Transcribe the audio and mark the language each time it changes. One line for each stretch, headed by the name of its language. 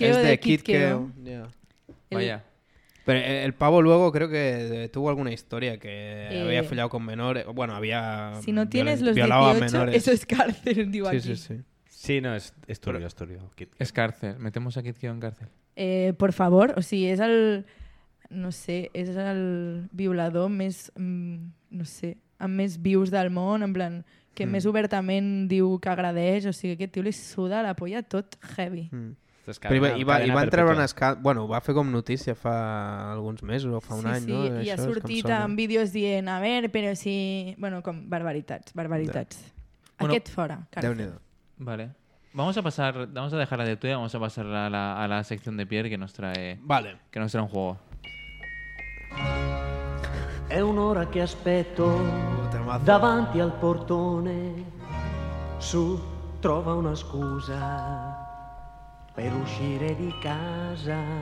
Spanish: Es de Kitkeo. Yeah. Vaya. Pero el pavo luego creo que tuvo alguna historia que había follado con menores. Bueno, había... Si no tienes los 18, menores. Eso es cárcel. Digo sí, aquí. Sí. Sí, no, es turbio, es turbio. Es cárcel. Metemos a Kitkeo en cárcel. Por favor, o si es al...
Catalan: No sé, és el violador més, no sé, amb més vius del món, en plan, que més obertament diu que agradeix, o sigui, aquest tio li suda la polla tot heavy. I va treure un escàndol, bueno, va fer com notícia fa alguns mesos o fa un any, no? Sí, i ha sortit en vídeos dient,
Spanish: a ver,
Catalan: però si... Bueno, com barbaritats. Aquest fora, cara. Déu-n'hi-do. Vale.
Spanish: Vamos a dejar la de tu i vamos a pasar a la sección de Pierre que nos trae un juego.
Italian: È un'ora che aspetto davanti al portone. Su, trova una scusa per uscire di casa.